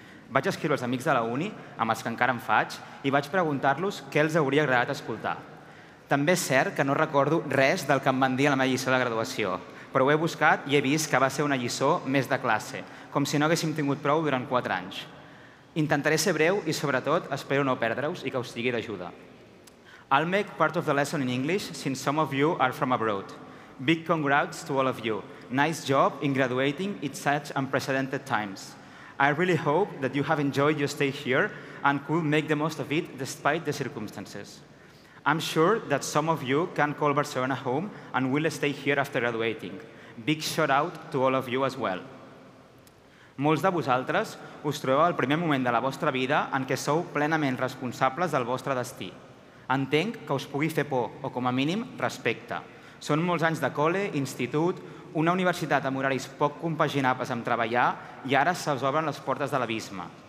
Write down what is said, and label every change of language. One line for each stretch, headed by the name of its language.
Catalan: Vaig escriure als amics de la uni, amb els que encara em faig, i vaig preguntar-los què els hauria agradat escoltar. També és cert que no recordo res del que em van dir a la meva lliçó de graduació, però ho he buscat i he vist que va ser una lliçó més de classe, com si no haguéssim tingut prou durant 4 anys. Intentaré ser breu i, sobretot, espero no perdre-us i que us sigui d'ajuda.
English: I'll make part of the lesson in English since some of you are from abroad. Big congrats to all of you. Nice job in graduating in such unprecedented times. I really hope that you have enjoyed your stay here and could make the most of it despite the circumstances. I'm sure that some of you can call Barcelona home and will stay here after graduating. Big shout out to all of you as well.
Catalan: Molts de vosaltres us trobeu al primer moment de la vostra vida en què sou plenament responsables del vostre destí. Entenc que us pugui fer por, o com a mínim, respecte. Són molts anys de col·le, institut, una universitat amb horaris poc compaginables amb treballar i ara se'ls obren les portes de l'abisme.